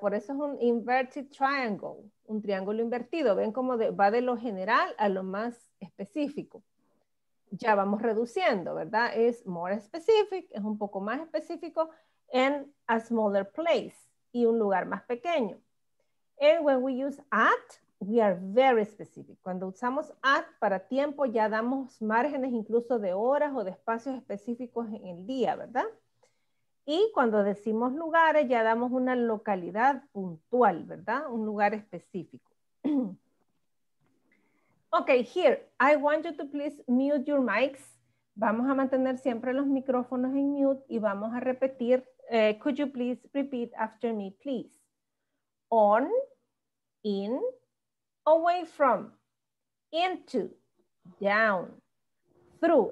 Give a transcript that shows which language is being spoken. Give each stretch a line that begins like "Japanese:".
Spanish: Por eso es un
English: inverted triangle,
Spanish: un triángulo invertido. ¿Ven cómo va de lo general a lo más específico? Ya vamos reduciendo, ¿verdad? Es
English: more specific,
Spanish: es un poco más específico, en
English: a smaller place
Spanish: y un lugar más pequeño.
English: And when we use at, we are very specific.
Spanish: Cuando usamos at para tiempo, ya damos márgenes incluso de horas o de espacios específicos en el día, ¿verdad? Y cuando decimos lugares, ya damos una localidad puntual, ¿verdad? Un lugar específico.
English: Okay, here, I want you to please mute your mics.
Spanish: Vamos a mantener siempre los micrófonos en mute y vamos a repetir,
English: could you please repeat after me, please? On, in, away from, into, down, through.